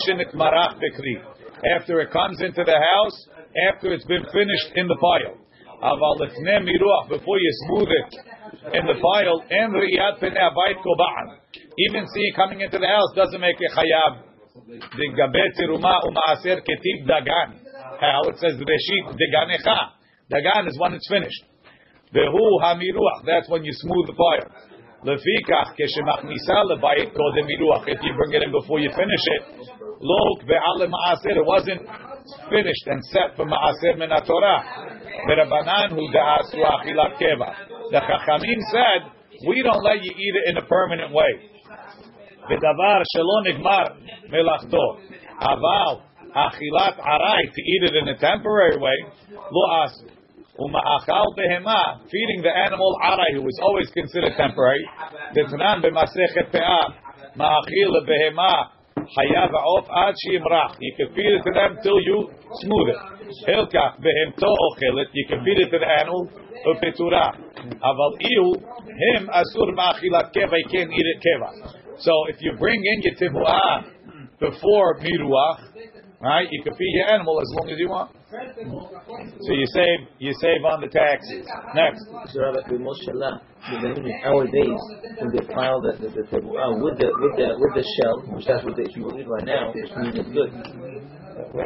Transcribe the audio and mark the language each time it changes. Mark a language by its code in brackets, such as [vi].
[en] After it comes into the house, after it's been finished in the pile, before you smooth it in the pile, even see it coming into the house doesn't make it chayav. How it says reshit deganecha, dagan is when it's finished. That's when you smooth the pile. [he] לפיכך, כשמכניסה לבית קודם מילוח, [en] if you bring it in before you finish it, [he] לא הוקבעה למעשר, [en] it wasn't finished and set for [he] מעשר מן התורה. ורבנן הוא דעשו אכילת קבע. [en] The חכמים said, we don't let you eat it in a permanent way. [he] ודבר שלא נגמר מלאכתו. אבל אכילת ערי, [en] to eat it in a temporary way, [he] לא עשו. ומאכל בהמה, [en] feeding the animal [he] ערי, [en] who is always considered temporary, [he] דתנן במסכת פאה, מאכיל בהמה, חיה ועוף עד שימרח. [en] You can feed it to them till you smooth it. [he] הלכך, בהמתו אוכלת, [en] you can feed it to the animal, [he] ופתורה. אבל איו, הם אסור מאכילת קבע, [en] you can't eat it [he] קבע. [en] So if you bring in your tibuah before miruach, right, you can feed your animal as long as you want. So you save on the taxes. Next. So Rabbi Moshe Lach, in our days, when they file the tibuah with the shell, which that's what they eat right now, which means it's good.